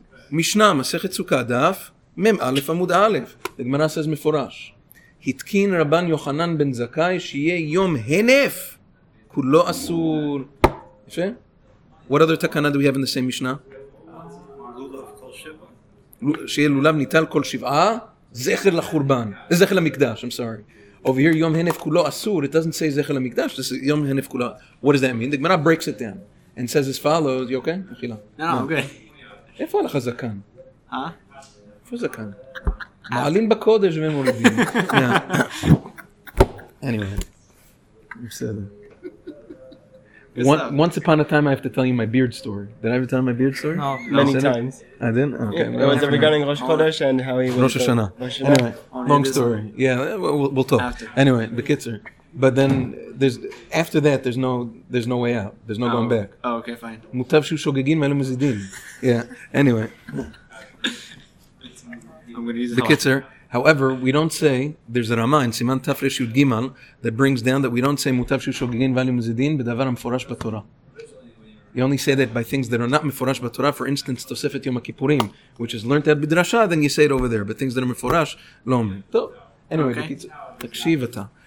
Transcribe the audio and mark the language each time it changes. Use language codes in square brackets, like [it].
[en] Mishnah, Masechet Sukkah, Daf, Mem Alef Amud Alef. The Gemara says Meforash. Hitkin Rabban Yochanan ben Zakai shiye yom henef kulo asur. Yafe? What other takana do we have in the same Mishnah? [he] שיהיה לולב ניטל כל שבעה, זכר לחורבן. זכר למקדש, [en] I'm sorry. Over here, [he] יום הנף כולו אסור. [en] It doesn't say [he] זכר למקדש, it's יום הנף כולו. [en] What does that mean? The Gemara breaks it down and says as follows, you okay? [he] אכילה. [en] No, okay. [he] איפה הלך הזקן? [en] Huh? [he] איפה הזקן? מעלים בקודש ומולדים. [en] Anyway. Once upon a time, I have to tell you my beard story. Did I ever tell my beard story? No. Many times. I didn't? Okay. Yeah. Well, it was regarding Rosh Chodesh and how he was... Rosh Hashanah. Anyway, long story. Yeah, we'll talk. After. Anyway, Bekitzer. But then, after that, there's no way out. There's no going back. Oh, okay, fine. Mutav shu shogegin melu mezidin. Yeah, anyway. Bekitzer. However, we don't say, there's a Rama in Siman Tafresh Yud Gimal that brings down that we don't say Mutav Shushogin Valim Zidin B'davar HaMforash B'Torah. You only say that by things that are not Mefurash b'Torah. For instance, Tosefet Yom HaKippurim, which is learned at Bidrasha, then you say it over there. But things that are Mefurash, lo. [he] Anyway, תקשיב אתה.